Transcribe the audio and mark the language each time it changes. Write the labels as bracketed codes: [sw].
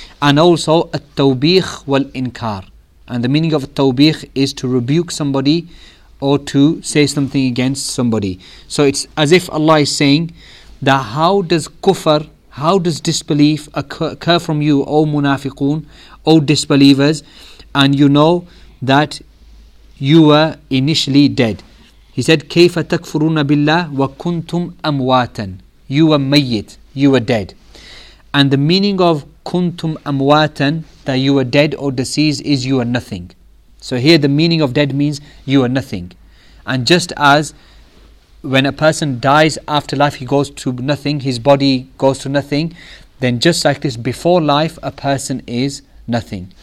[en] And also, [ar] التوبيخ والإنكار. [en] And the meaning of التوبيخ is to rebuke somebody or to say something against somebody. So it's as if Allah is saying that how does kufr, how does disbelief occur from you, O munafiqun, O disbelievers, and you know that you were initially dead. He said, [ar] كَيْفَ تَكْفُرُونَ بِاللَّهِ وَكُنْتُمْ أَمْوَاتًا. [en] You were mayyit, you were dead. And the meaning of [ar] كُنْتُمْ أَمْوَاتًا, [en] that you were dead or deceased, is you are nothing. So here the meaning of dead means you are nothing. And just as when a person dies after life, he goes to nothing, his body goes to nothing, then just like this, before life, a person is nothing.